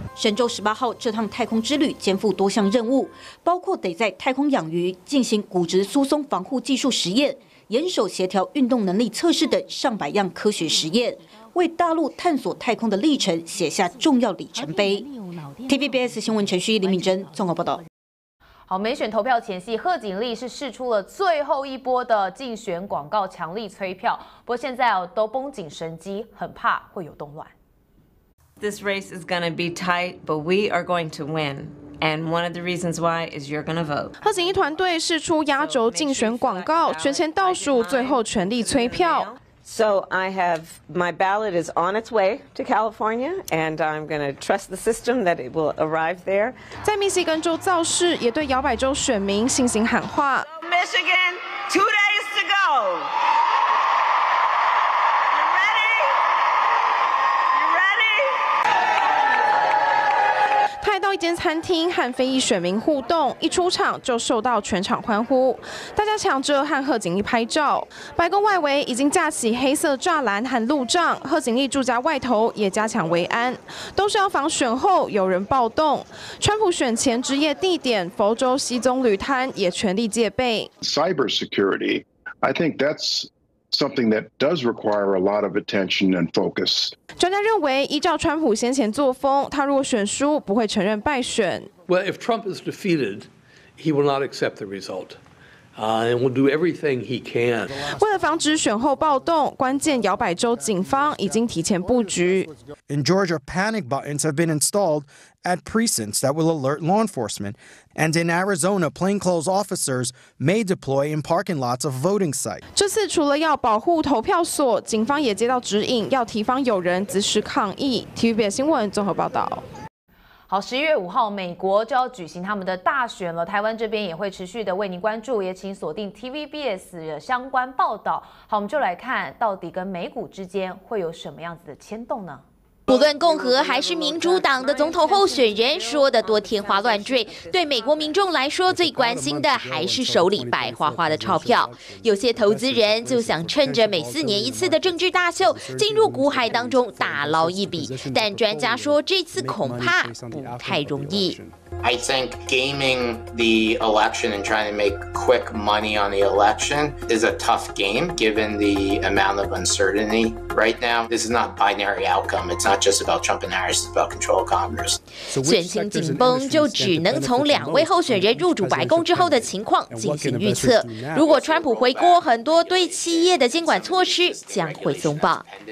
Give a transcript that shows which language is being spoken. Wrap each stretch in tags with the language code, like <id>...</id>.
<zh>神舟18号这趟太空之旅肩负多项任务，包括得在太空养鱼、进行骨质疏松防护技术实验、严守协调运动能力测试等上百项科学实验，为大陆探索太空的历程写下重要里程碑。 TVBS 新闻程序李敏珍综合报道。好，美选投票前夕，贺锦丽是释出了最后一波的竞选广告，强力催票。不过现在都绷紧神经，很怕会有动乱。</zh> <en>This race is going to be tight, but we are going to win. And one of the reasons why is you're going to vote.</en> <zh>贺锦丽团队释出压轴竞选广告，选前倒数，最后全力催票。</zh> <en>So I have my ballot is on its way to California, and I'm going to trust the system that it will arrive there.</en> <zh>在密西根州造势，也对摇摆州选民信心喊话。</zh> <en>So、Michigan, 2 days to go. You ready? You ready?</en> <zh>他还到一间餐厅和非裔选民互动，一出场就受到全场欢呼，大家抢着和贺锦丽拍照。白宫外围已经架起黑色栅栏和路障，贺锦丽住家外头也加强围安，都是要防选后有人暴动。川普选前职业地点佛州西棕榈滩也全力戒备。</zh> <en>Cyber security, I think that's something that does require a lot of attention and focus.</en> <zh>专家认为，依照川普先前作风，他如果选输，不会承认败选。</zh> <en>Well, if Trump is defeated, he will not accept the result. And will do everything he can.</en> <zh>为了防止选后暴动，关键摇摆州警方已经提前布局。</zh> <en>In Georgia, panic buttons have been installed at precincts that will alert law enforcement. And in Arizona, plainclothes officers may deploy in parking lots of voting sites.</en> <zh>这次除了要保护投票所，警方也接到指引，要提防有人指使抗议。 TVBS 新闻综合报道。好，十一月五号，美国就要举行他们的大选了，台湾这边也会持续的为您关注，也请锁定 TVBS 的相关报道。好，我们就来看到底跟美股之间会有什么样子的牵动呢？不论共和还是民主党的总统候选人说的多天花乱坠，对美国民众来说，最关心的还是手里白花花的钞票。有些投资人就想趁着每四年一次的政治大秀，进入股海当中大捞一笔。但专家说，这次恐怕不太容易。</zh> <en>I think gaming the election and trying to make quick money on the election is a tough game given the amount of uncertainty right now. This is not binary outcome. It's not just about Trump and Harris. It's about control of Congress.</en> <zh>选情紧绷，就只能从两位候选人入主白宫之后的情况进行预测。如果川普回国，很多对企业的监管措施将会松绑。</zh>